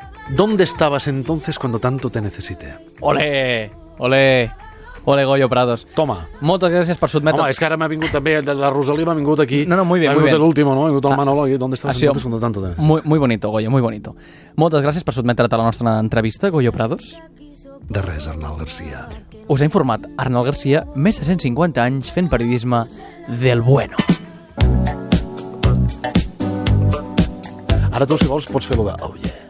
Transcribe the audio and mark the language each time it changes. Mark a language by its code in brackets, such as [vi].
[es] ¿Dónde estabas entonces cuando tanto te necesité? Ole, Goyo Prados. Toma. [ca] Moltes gràcies per sotmetre. Home, és que ara m'ha vingut també, la Rosalía m'ha vingut aquí. [es] No, muy bien, [ca] m'ha vingut l'últim, no? M'ha vingut el Manolo aquí. [es] ¿Dónde estabas entonces cuando tanto te necesité? Muy bonito, Goyo, muy bonito. [ca] Moltes gràcies per sotmetre't a la nostra entrevista, Goyo Prados. De res, Arnal García. Us ha informat Arnal García, més de 150 anys fent periodisme [es] del bueno. [ca] Ara tu, si vols, pots fer-ho de... [en] Oh, yeah.